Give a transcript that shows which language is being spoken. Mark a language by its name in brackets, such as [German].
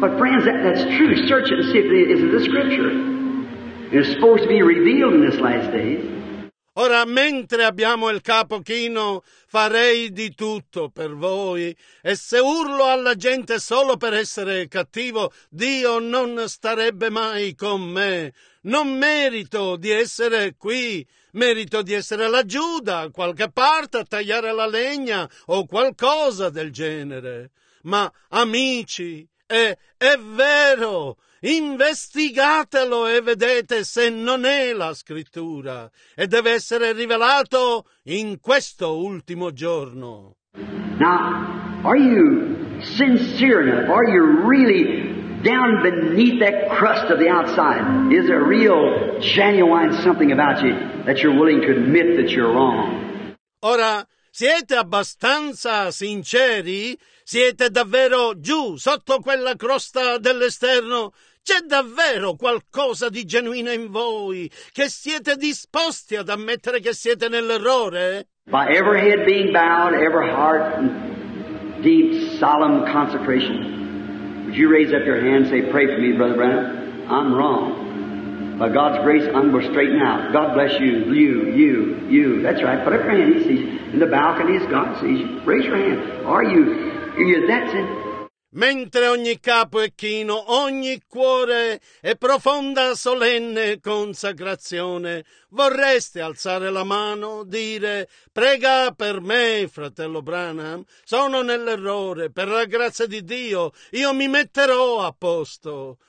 [English] But friends, that's true. Search it and see if it is in the Scripture. It's supposed to be revealed in this last days. [Italian] Ora, mentre abbiamo il capo chino, farei di tutto per voi. E se urlo alla gente solo per essere cattivo, Dio non starebbe mai con me. Non merito di essere qui. Merito di essere laggiù, da qualche parte, a tagliare la legna o qualcosa del genere. Ma, amici, è vero! Investigatelo e vedete se non è la scrittura e deve essere rivelato in questo ultimo giorno. [English] Now, are you sincere enough? Are you really down beneath that crust of the outside? Is there real genuine something about you that you're willing to admit that you're wrong? [Italian] Ora, siete abbastanza sinceri? Siete davvero giù sotto quella crosta dell'esterno? C'è davvero qualcosa di genuino in voi che siete disposti ad ammettere che siete nell'errore? [English] By every head being bowed, every heart in deep, solemn consecration, would you raise up your hand and say, pray for me, Brother Branham? I'm wrong. By God's grace, I'm going to straighten out. God bless you, you. That's right. Put up your hand. He sees you. In the balconies, God sees you. Raise your hand. Are you? That's it. [Italian] Mentre ogni capo è chino, ogni cuore è profonda, solenne consacrazione, vorreste alzare la mano, dire, prega per me, fratello Branham, sono nell'errore, per la grazia di Dio, io mi metterò a posto.